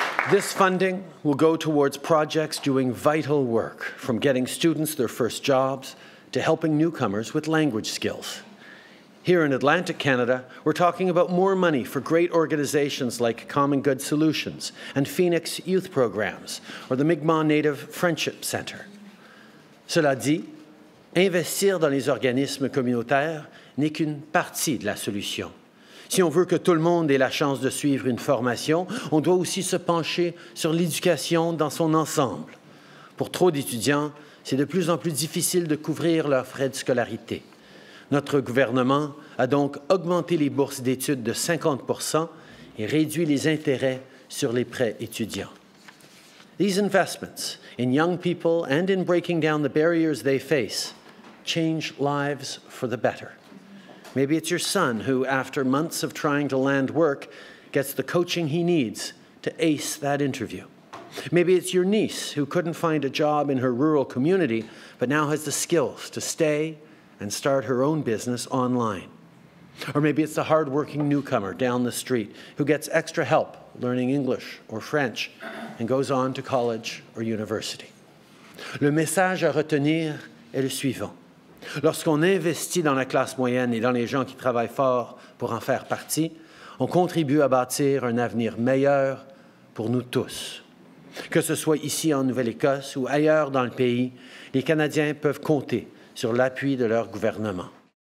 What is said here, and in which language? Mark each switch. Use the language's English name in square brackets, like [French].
[English] This funding will go towards projects doing vital work, from getting students their first jobs to helping newcomers with language skills. Here in Atlantic Canada, we're talking about more money for great organizations like Common Good Solutions and Phoenix Youth Programs or the Mi'kmaq Native Friendship Centre. [French] Cela dit, investir dans les organismes communautaires n'est qu'une partie de la solution. Si on veut que tout le monde ait la chance de suivre une formation, on doit aussi se pencher sur l'éducation dans son ensemble. Pour trop d'étudiants, c'est de plus en plus difficile de couvrir leurs frais de scolarité. Notre gouvernement a donc augmenté les bourses d'études de 50% et réduit les intérêts sur les prêts étudiants. [English] These investments in young people and in breaking down the barriers they face change lives for the better. Maybe it's your son who, after months of trying to land work, gets the coaching he needs to ace that interview. Maybe it's your niece who couldn't find a job in her rural community but now has the skills to stay and start her own business online. Or maybe it's the hardworking newcomer down the street who gets extra help learning English or French and goes on to college or university. [French] Le message à retenir est le suivant. Lorsqu'on investit dans la classe moyenne et dans les gens qui travaillent fort pour en faire partie, on contribue à bâtir un avenir meilleur pour nous tous. Que ce soit ici en Nouvelle-Écosse ou ailleurs dans le pays, les Canadiens peuvent compter sur l'appui de leur gouvernement.